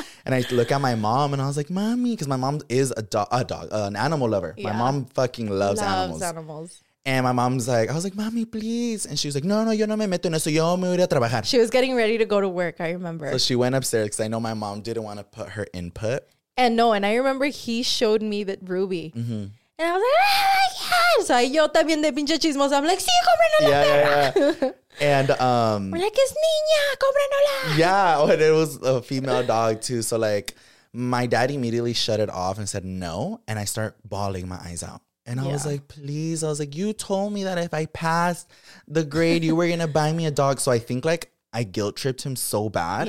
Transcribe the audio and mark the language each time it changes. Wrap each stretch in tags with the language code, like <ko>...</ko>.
<en>And I look at my mom and I was like, mommy, because my mom is an animal lover. Yeah. My mom fucking loves animals. And my mom's like, I was like, mommy, please. And she was like,</en> <es>no, no, yo no me meto en eso. Yo me voy a trabajar.</es> <en>She was getting ready to go to work, I remember. So she went upstairs because I know my mom didn't want to put her input. And no, and I remember he showed me that Ruby. Mm-hmm. And I was like, ah, yes.</en> <es>Like, yo también de pinche chismosa.</es> <en>I'm like,</en> <es>sí, cómprenlo la perra.</es> <en>Yeah, yeah. And we're like,</en> <es>es niña, cómprenlo.</es> <en>Yeah, and it was a female dog too. So like my dad immediately shut it off and said no. And I start bawling my eyes out. And I was like, please. I was like, you told me that if I passed the grade, you were going to buy me a dog. So I think, like, I guilt tripped him so bad.</en>